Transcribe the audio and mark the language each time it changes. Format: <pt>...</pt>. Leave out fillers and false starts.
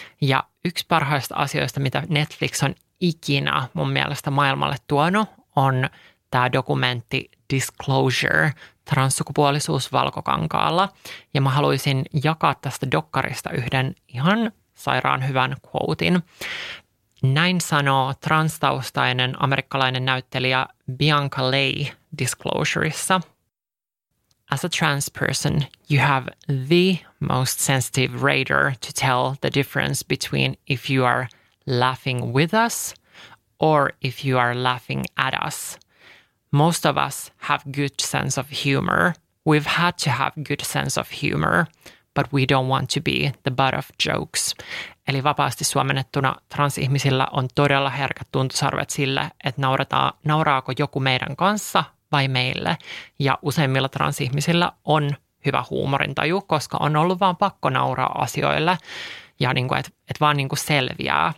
<fi>Ja yksi parhaista asioista, mitä Netflix on ikinä mun mielestä maailmalle tuonut, on tämä dokumentti Disclosure, transsukupuolisuus Valkokankaalla. Ja mä haluaisin jakaa tästä dokkarista yhden ihan sairaan hyvän quotein. Näin sanoo transtaustainen amerikkalainen näyttelijä Bianca Leigh Disclosureissa.</fi> <en>As a trans person, you have the most sensitive radar to tell the difference between if you are laughing with us or if you are laughing at us. Most of us have good sense of humor. We've had to have good sense of humor, but we don't want to be the butt of jokes.</en> <fi>Eli vapaasti suomennettuna transihmisillä on todella herkät tuntosarvet sille, että nauraako joku meidän kanssa vai meille. Ja useimmilla transihmisillä on hyvä huumorintaju, koska on ollut vaan pakko nauraa asioille ja niinku, et vaan niinku selviää.</fi>